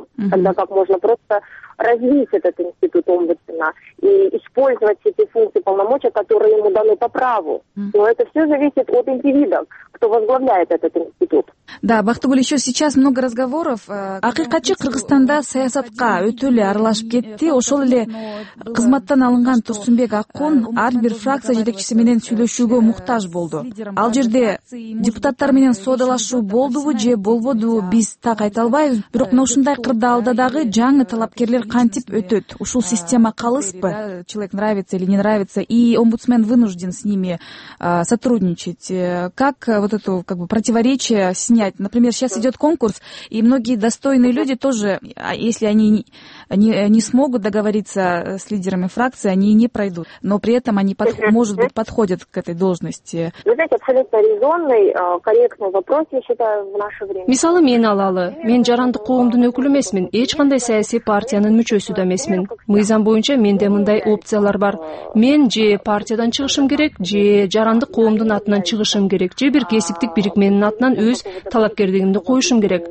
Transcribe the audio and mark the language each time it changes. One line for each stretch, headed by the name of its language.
Russian: Тогда как можно просто развить этот институт омбудсмена и использовать эти функции полномочия, которые ему даны по праву. Но это все зависит от индивидов, кто возглавляет этот институт. Да, Бактыгүл, еще сейчас много разговоров.
Kyrgyz: Акыйкатчы Кыргызстанда саясатка өтө эле аралашып кетти. Ошол эле кызматтан алынган Турсунбек Аккун ар бир фракция жетекчиси менен сүйлөшүүгө муктаж болду. Ал жерде депутаттар менен соодалашуу болдубу же болбодубу биз так айта албайбыз. Бирок мына ушундай кырдаалда дагы жаңы талапкерлер кантип өтөт? Ушул система калыспы?
Russian: Человек нравится или не нравится, и омбудсмен вынужден с ними сотрудничать. Как вот это противоречие снять? Например, сейчас идет конкурс, и многие достойные люди тоже, если они не смогут договориться с лидерами фракции, они не пройдут. Но при этом они, может быть, подходят к этой должности. Вы знаете, абсолютно резонный, корректный вопрос, я считаю, в наше время.
Kyrgyz: Мисалы мен алалы. Мен жарандык коомдун өкүлү эмесмин. Эч кандай саясий партиянын партиянын мүчөсү да эмесмин. Мыйзам боюнча менде мындай опциялар бар. Мен же партиядан чыгышым керек, же жарандык коомдун атынан чыгышым керек, же бир кесиптик бирикменин атынан өз талапкердигимди коюшум керек.